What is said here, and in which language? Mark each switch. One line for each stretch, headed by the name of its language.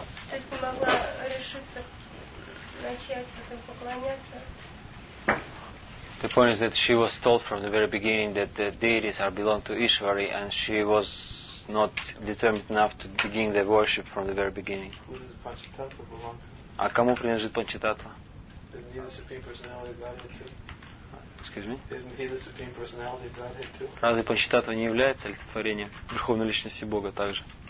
Russian: То есть не могла решиться начать этому поклоняться.
English: The point is that she was told from the very beginning that the deities are belong to Ishwari, and she was not determined enough to begin the worship from the very beginning. Who does Panchatattva belong to?
Russian: А кому принадлежит Панчататва?
English: Isn't he the supreme personality of Godhead too? Excuse me. Isn't he the supreme personality of Godhead too?
Russian: Разве Панчататва не является олицетворением верховной личности Бога также?